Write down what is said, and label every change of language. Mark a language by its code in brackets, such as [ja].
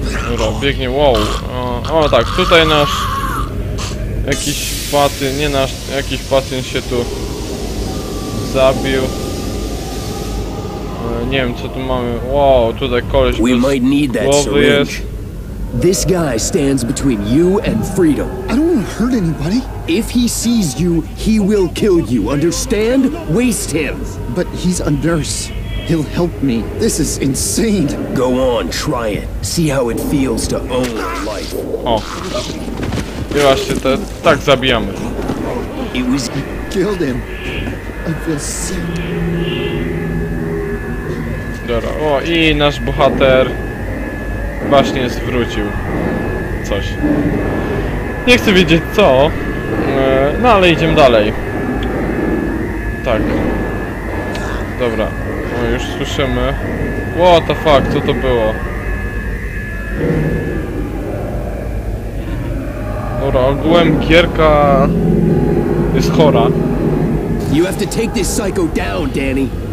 [pl] Dobra, biegnie, wow. O tak, tutaj nasz jakiś patyn, nie nasz, jakiś patyn się tu zabił. Nie wiem, co tu mamy. Wow, tutaj koleś bez głowy jest. [en] This guy stands between you and freedom. I don't want to hurt anybody. If he sees you, he will kill you, understand? Waste him. But he's a nurse. He'll help me. This is insane. Go on, try it. See how it feels to own life. Oh. [pl] I właśnie to tak zabijamy. [en] It was you killed him. I feel sick. [pl] Dobra. O, i nasz bohater właśnie zwrócił coś. Nie chcę wiedzieć co. No ale idziemy dalej. Tak. Dobra. O, już słyszymy. [en] What the fuck, [pl] co to było? Dobra, ogółem gierka jest chora. [en] You have to take this psycho down, Danny.